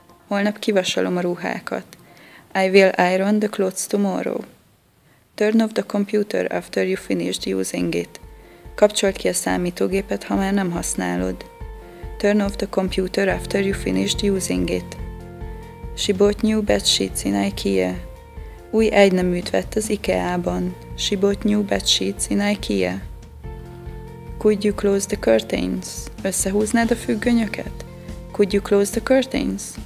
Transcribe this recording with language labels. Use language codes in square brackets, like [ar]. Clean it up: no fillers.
[hu] Holnap kivasalom a ruhákat. [en] I will iron the clothes tomorrow. Turn off the computer after you finished using it. [hu] Kapcsold ki a számítógépet, ha már nem használod. [en] Turn off the computer after you finished using it. She bought new bed sheets in IKEA. [hu] Új ágyneműt vett az IKEA-ban. [en] She bought new bed sheets in IKEA. Could you close the curtains? [hu] Összehúznád a függönyöket? [en] Could you close the curtains?